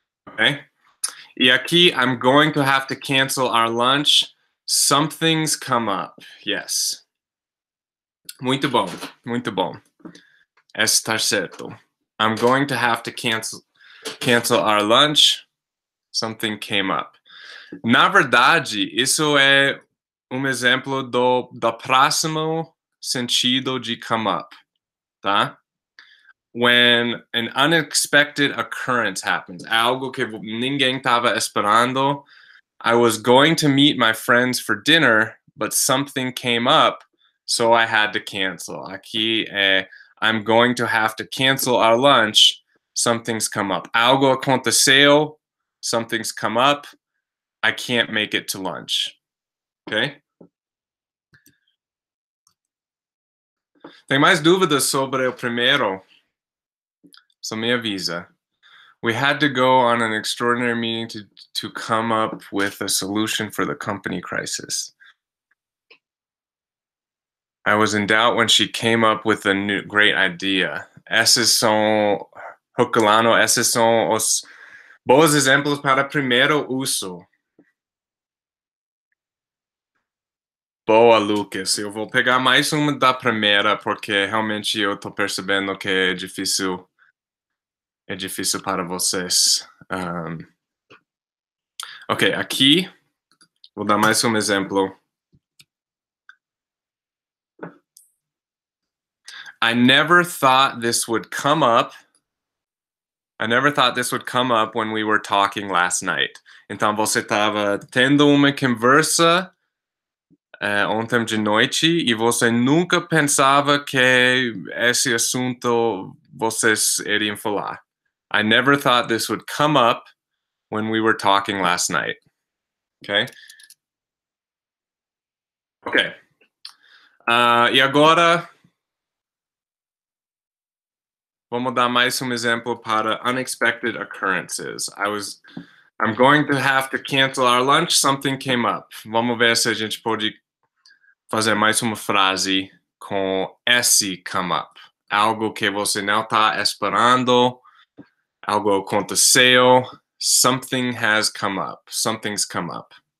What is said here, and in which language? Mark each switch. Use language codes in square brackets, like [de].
[en] Okay. [pt] E aqui, [en] I'm going to have to cancel our lunch. Something's come up. Yes. [pt] Muito bom. Muito bom. Está certo. [en] I'm going to have to cancel our lunch. Something came up. [pt] Na verdade, isso é exemplo do próximo sentido de come up. [en] Tá? When an unexpected occurrence happens, [pt] algo que ninguém estava esperando, [en] I was going to meet my friends for dinner, but something came up, so I had to cancel. [pt] Aqui é, [en] I'm going to have to cancel our lunch, something's come up. [pt] Algo aconteceu, [en] something's come up, I can't make it to lunch. Okay? [pt] Tem mais dúvidas sobre o primeiro? So me avisa. [en] We had to go on an extraordinary meeting to come up with a solution for the company crisis. I was in doubt when she came up with a new great idea. [pt] Esses são hookalano, esses são os bons exemplos para primeiro uso. Boa, Lucas. Eu vou pegar mais uma da primeira porque realmente eu tô percebendo que é difícil. É difícil para vocês. Ok, aqui vou dar mais exemplo. [en] I never thought this would come up. I never thought this would come up when we were talking last night. [pt] Então você estava tendo conversa ontem de noite e você nunca pensava que esse assunto vocês iriam falar. [en] I never thought this would come up when we were talking last night. Okay? Okay. [pt] E agora, vamos dar mais exemplo para [en] unexpected occurrences. I'm going to have to cancel our lunch. Something came up. [pt] Vamos ver se a gente pode fazer mais frase com esse come up. Algo que você não está esperando. Algo aconteceu, [en] something has come up, something's come up.